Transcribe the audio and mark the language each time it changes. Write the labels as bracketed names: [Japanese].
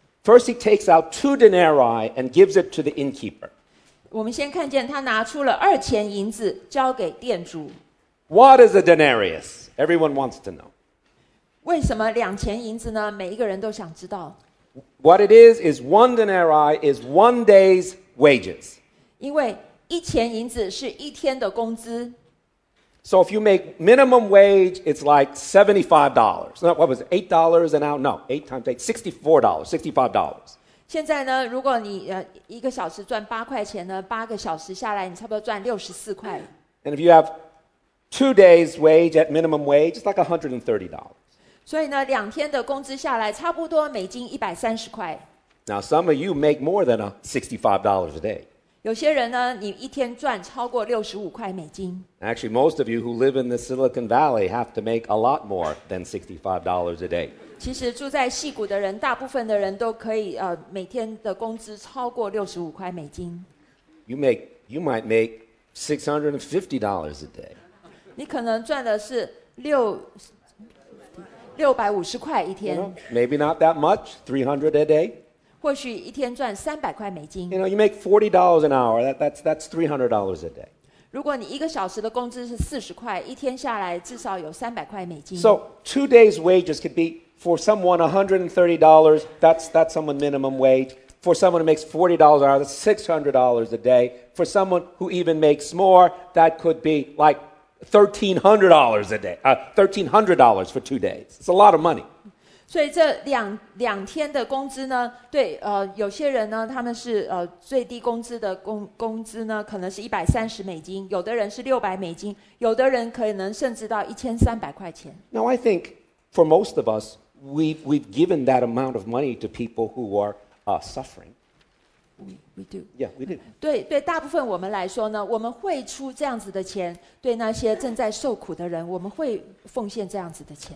[English] First, he takes out 2 denarii and gives it to the innkeeper. [Chinese] 我们先看见他拿出了2000银子交给店主。 [English] What is a denarius? Everyone wants to know. [Chinese] 为什么2000银子呢？每一个人都想知道。 [English] What it is 1 denarii is 1 day's wages. [Chinese] 因为1000银子是一天的工资。 [English] So if you make minimum wage, it's like $75. No, what was it? $8 an hour? No, 8 times 8, $64, $65. [Chinese] 现在呢，如果你一个小时赚8块钱呢，八个小时下来，你差不多赚64块。 [English] And if you have 2 days wage at minimum wage, it's like $130. [Chinese] 所以呢，两天的工资下来，差不多美金130块。 [English] Now some of you make more than $65 a day. [Chinese] 有些人呢，你一天赚超过65块美金。 [English] Actually, most of you who live in the Silicon Valley have to make a lot more than $65 a day. [Chinese] 其实住在矽谷的人，大部分的人都可以每天的工资超过65块美金。 [English] You might make $650 a day. [Chinese] 你可能赚的是650块一天。 [English] You know, maybe not that much, $300 a day. [Chinese] 或许一天赚300块美金。 [English] You know, you make $40 an hour. That's $300 a day. [Chinese] 如果你一个小时的工资是40块，一天下来至少有300块美金。 [English] So 2 days' wages could be for someone $130. That's someone minimum wage. For someone who makes $40 an hour, that's $600 a day. For someone who even makes more, that could be like $1,300 a day. $1,300 for 2 days. It's a lot of money. [Chinese] 所以这两天的工资呢，对，有些人呢，他们是最低工资的工资呢，可能是130美金，有的人是600美金，有的人可能甚至到1300块钱。 [English] Now I think for most of us, we've given that amount of money to people who are suffering. We do. Yeah, we do. [Chinese] 对，大部分我们来说呢，我们会出这样子的钱，对那些正在受苦的人，我们会奉献这样子的钱。